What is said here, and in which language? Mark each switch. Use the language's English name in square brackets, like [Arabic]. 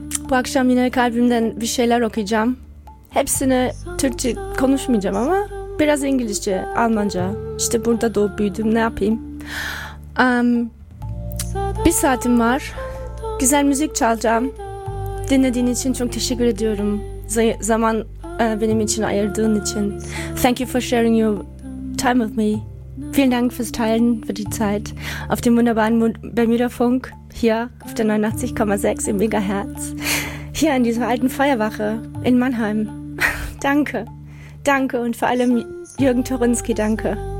[Turkish] Bu akşam yine kalbimden bir şeyler okuyacağım. Hepsini Türkçe konuşmayacağım ama biraz İngilizce, Almanca. İşte burada doğup büyüdüm, ne yapayım? Bir saatim var. Güzel müzik çalacağım. Dinlediğin için çok teşekkür ediyorum. Zaman benim için ayırdığın için. [English] Thank you for sharing your time with me. [German] Vielen Dank fürs Teilen, für die Zeit auf dem wunderbaren Bermuda-Funk hier auf der 89,6 im Megahertz, hier in dieser alten Feuerwache in Mannheim. Danke, danke, und vor allem Jürgen Torinski, danke.